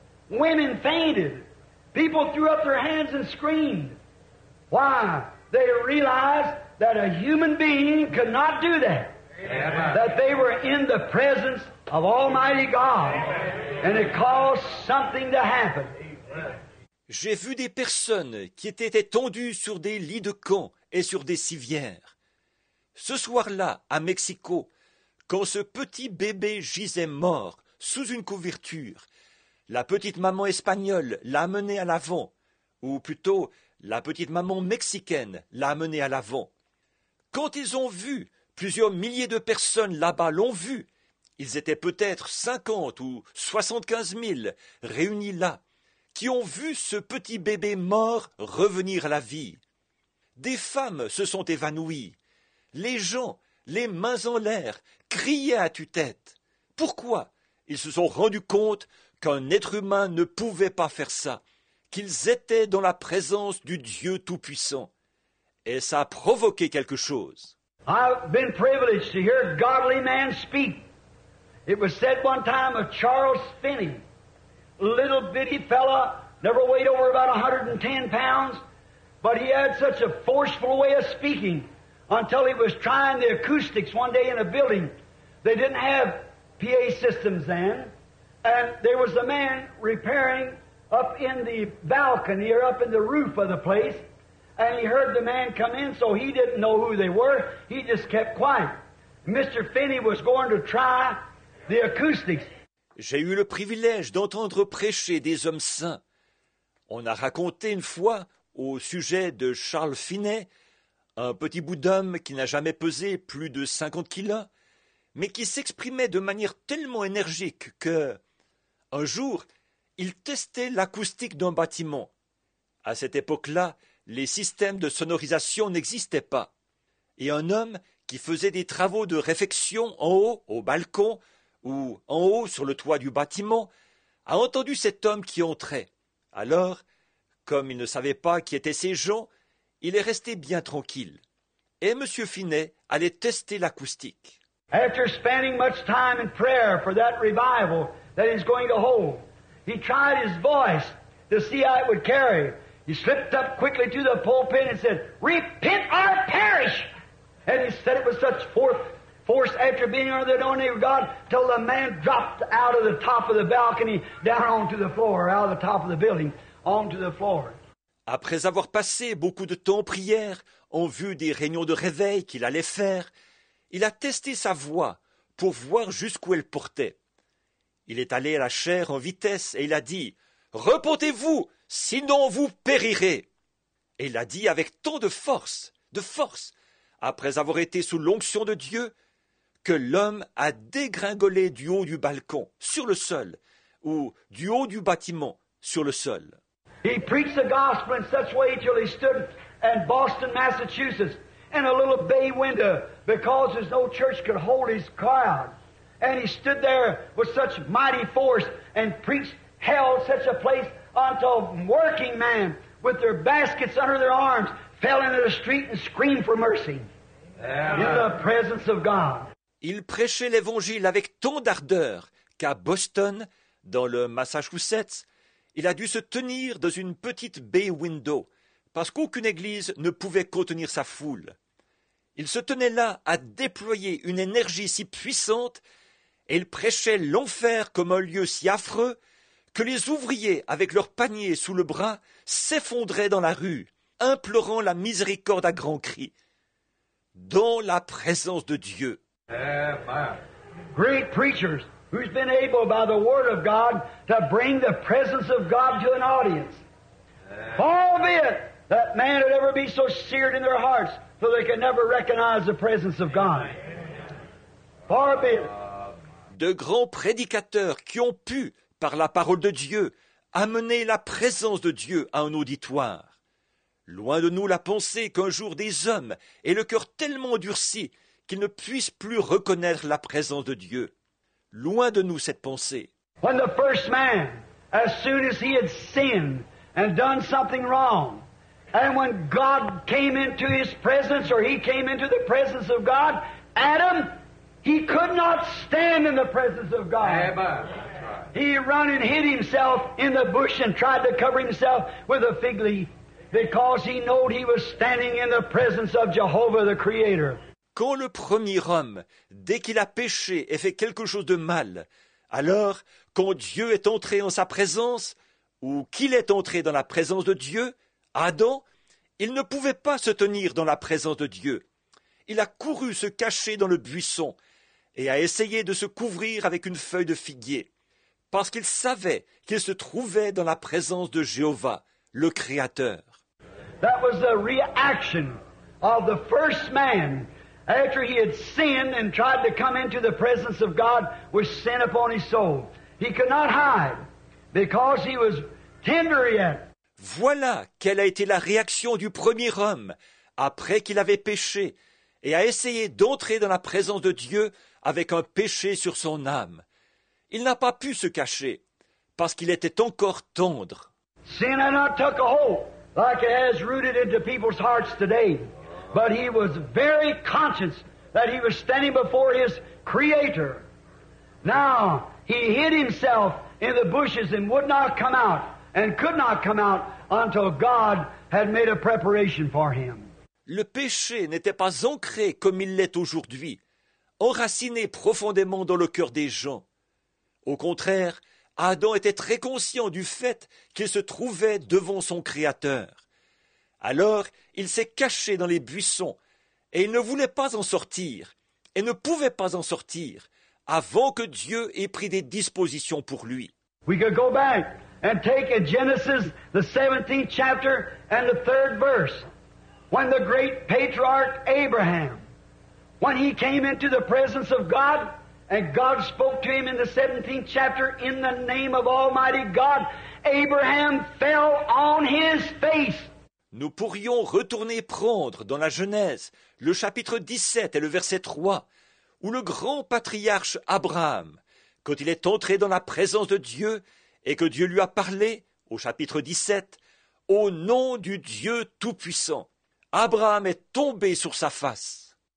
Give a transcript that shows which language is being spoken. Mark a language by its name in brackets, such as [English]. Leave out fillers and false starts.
[English] Women fainted. People threw up their hands and screamed. Why? They realized that a human being could not do that. Amen. That they were in the presence of Almighty God. And it caused something to happen. [French] J'ai vu des personnes qui étaient étendues sur des lits de camp et sur des civières. Ce soir-là, à Mexico, quand ce petit bébé gisait mort sous une couverture, la petite maman espagnole l'a amené à l'avant, ou plutôt la petite maman mexicaine l'a amené à l'avant. Quand ils ont vu, plusieurs milliers de personnes là-bas l'ont vu, ils étaient peut-être 50 ou 75 000 réunis là, qui ont vu ce petit bébé mort revenir à la vie. Des femmes se sont évanouies. Les gens, les mains en l'air, criaient à tue-tête. Pourquoi? Ils se sont rendus compte qu'un être humain ne pouvait pas faire ça, qu'ils étaient dans la présence du Dieu Tout-Puissant. Et ça a provoqué quelque chose. [English] I've been privileged to hear godly man speak. It was said one time of Charles Finney, little bitty fella, never weighed over about 110 pounds, but he had such a forceful way of speaking until he was trying the acoustics one day in a building. They didn't have PA systems then, and there was a man repairing up in the balcony or up in the roof of the place, and he heard the man come in, so he didn't know who they were. He just kept quiet. Mr. Finney was going to try the acoustics. [French] J'ai eu le privilège d'entendre prêcher des hommes saints. On a raconté une fois, au sujet de Charles Finney, un petit bout d'homme qui n'a jamais pesé plus de 50 kilos, mais qui s'exprimait de manière tellement énergique que, un jour, il testait l'acoustique d'un bâtiment. À cette époque-là, les systèmes de sonorisation n'existaient pas. Et un homme qui faisait des travaux de réfection en haut, au balcon, ou en haut sur le toit du bâtiment, a entendu cet homme qui entrait. Alors, comme il ne savait pas qui étaient ces gens, il est resté bien tranquille. Et M. Finney allait tester l'acoustique. [English] After spending much time in prayer for that revival that he's going to hold, he tried his voice to see how it would carry. He slipped up quickly to the pulpit and said, "Repent or perish!" And he said it with such force after being under the anointing of God, till the man dropped out of the top of the balcony down onto the floor, out of the top of the building, onto the floor. [French] Après avoir passé beaucoup de temps en prière, en vue des réunions de réveil qu'il allait faire, il a testé sa voix pour voir jusqu'où elle portait. Il est allé à la chaire en vitesse et il a dit, « Repentez-vous, sinon vous périrez !» Et il a dit avec tant de force, après avoir été sous l'onction de Dieu, que l'homme a dégringolé du haut du balcon, sur le sol, ou du haut du bâtiment, sur le sol. [English] He preached the gospel in such way till he stood in Boston, Massachusetts, in a little bay window, because there's no church could hold his crowd. And he stood there with such mighty force and preached hell such a place until working men with their baskets under their arms fell into the street and screamed for mercy. Amen. In the presence of God. [French] Il prêchait l'Évangile avec tant d'ardeur qu'à Boston, dans le Massachusetts, il a dû se tenir dans une petite bay window parce qu'aucune église ne pouvait contenir sa foule. Il se tenait là à déployer une énergie si puissante et il prêchait l'enfer comme un lieu si affreux que les ouvriers, avec leurs paniers sous le bras, s'effondraient dans la rue. implorant la miséricorde à grands cris, dans la présence de Dieu. [English] Great preachers who's been able by the word of God to bring the presence of God to an audience. All of it, that man would ever be so seared in their hearts so they could never recognize the presence of God. Far be it. [French] De grands prédicateurs qui ont pu, par la parole de Dieu, amener la présence de Dieu à un auditoire. Loin de nous la pensée qu'un jour des hommes aient le cœur tellement durci qu'ils ne puissent plus reconnaître la présence de Dieu. Loin de nous cette pensée. [English] When the first man, as soon as he had sinned and done something wrong, and when God came into his presence, or he came into the presence of God, Adam, he could not stand in the presence of God. Amen. He ran and hid himself in the bush and tried to cover himself with a fig leaf, because he knew he was standing in the presence of Jehovah the Creator. [French] Quand le premier homme, dès qu'il a péché et fait quelque chose de mal, alors, quand Dieu est entré en sa présence, ou qu'il est entré dans la présence de Dieu, Adam, il ne pouvait pas se tenir dans la présence de Dieu. Il a couru se cacher dans le buisson et a essayé de se couvrir avec une feuille de figuier, parce qu'il savait qu'il se trouvait dans la présence de Jéhovah, le Créateur. [English] That was the reaction of the first man. After he had sinned and tried to come into the presence of God with sin upon his soul, he could not hide because he was tender yet. [French] Voilà quelle a été la réaction du premier homme après qu'il avait péché et a essayé d'entrer dans la présence de Dieu avec un péché sur son âme. Il n'a pas pu se cacher parce qu'il était encore tendre. [English] Sin had not took a hold like it has rooted into people's hearts today. But he was very conscious that he was standing before his Creator. Now, he hid himself in the bushes and would not come out, and could not come out until God had made a preparation for him. [French] Le péché n'était pas ancré comme il l'est aujourd'hui, enraciné profondément dans le cœur des gens. Au contraire, Adam était très conscient du fait qu'il se trouvait devant son Créateur. Alors, il s'est caché dans les buissons, et il ne voulait pas en sortir, et ne pouvait pas en sortir, avant que Dieu ait pris des dispositions pour lui. [English] We could go back and take in Genesis, the 17th chapter, and the 3rd verse, when the great patriarch Abraham, when he came into the presence of God, and God spoke to him in the 17th chapter, in the name of Almighty God, Abraham fell on his face. [French] Nous pourrions retourner prendre dans la Genèse, le chapitre 17 et le verset 3, où le grand patriarche Abraham, quand il est entré dans la présence de Dieu et que Dieu lui a parlé, au chapitre 17, au nom du Dieu Tout-Puissant, Abraham est tombé sur sa face.